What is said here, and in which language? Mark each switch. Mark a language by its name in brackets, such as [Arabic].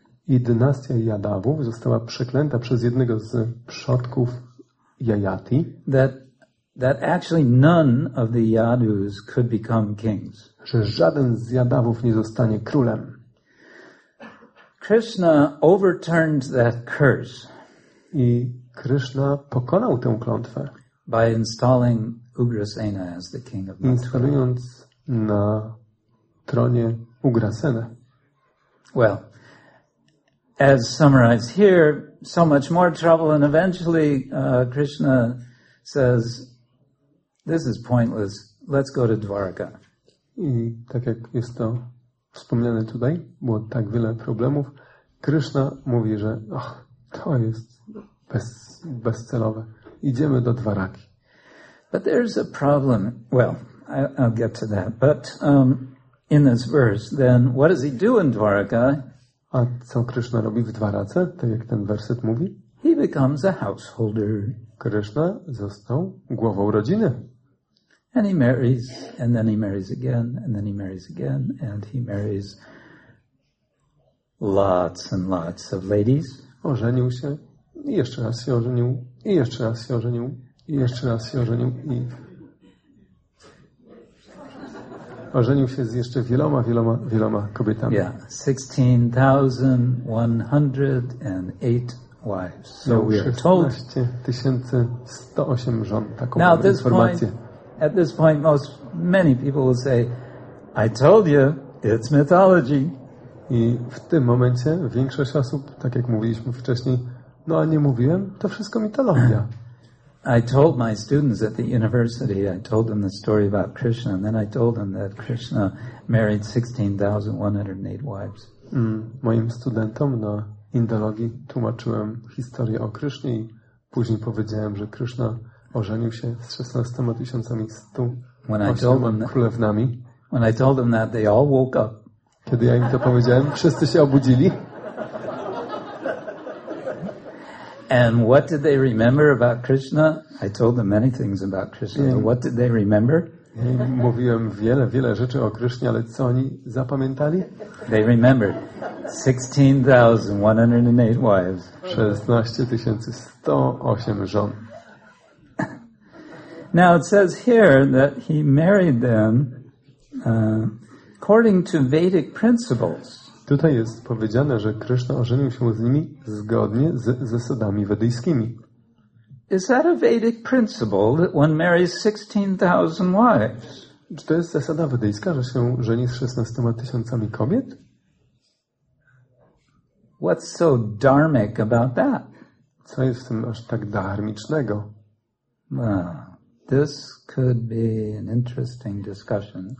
[Polish] I dynastia Yadavów została przeklęta przez jednego z przodków Yayati. [English] That actually none of the Yadus could become kings. [Polish] Że żaden z Yadavów nie zostanie królem. [English] Krishna overturned that curse. [Polish] I Krishna pokonał tę klątwę. [English] By installing Ugrasena as the king of Mathura. [Polish] Instalując na tronie Ugrasenę. [English] Well, as summarized here, so much more trouble, and eventually Krishna says, "This is pointless. Let's go to Dwarka." [Polish] I tak jak jest to wspomniane tutaj, było tak wiele problemów, Krishna mówi, że to jest bezcelowe. Idziemy do Dwaraki. [English] But there's a problem. Well, I'll get to that. But in this verse, then, what does he do in Dwaraka? [Polish] A co Krishna robi w Dwarace? Tak jak ten werset mówi? [English] He becomes a householder. [Polish] Krishna został głową rodziny. [English] And he marries, and then he marries again, and then he marries again, and he marries lots and lots of ladies. [Polish] Ożenił się, i jeszcze raz się ożenił, i jeszcze raz się ożenił, i jeszcze raz się ożenił, i ożenił się z jeszcze wieloma, wieloma, wieloma kobietami. [English] Yeah, 16,108 wives. So we are told. [Polish] 16,108 żon, taką informację. [English] At this point, many people will say, "I told you, it's mythology." [Polish] I w tym momencie większość osób, tak jak mówiliśmy wcześniej, no a nie mówiłem, to wszystko mitologia. [English] I told my students at the university, I told them the story about Krishna, and then I told them that Krishna married 16,108 wives. [Polish] Moim studentom na Indologii tłumaczyłem historię o Krysznie i później powiedziałem, że Kryszna ożenił się z 16 108 królewnami. [English] When I told them that, they all woke up. [Polish] Kiedy ja im to powiedziałem, wszyscy się obudzili. [English] And what did they remember about Krishna? I told them many things about Krishna. So what did they remember? [Polish] Ja im mówiłem wiele rzeczy o Krysznie, ale co oni zapamiętali? [English] They remembered 16,108 wives. [Polish] 16,108 żon. [English] Now it says here that he married them according to Vedic principles. [Polish] Tutaj jest powiedziane, że Krishna ożenił się z nimi zgodnie z zasadami wedyjskimi. [English] Is that a Vedic principle that one marries 16,000 wives? [Polish] Czy to jest zasada wedyjska, że się żeni z 16,000 kobiet? [English] What's so dharmic about that? [Polish] Co jest w tym aż tak dharmicznego? [English] This could be an interesting discussion.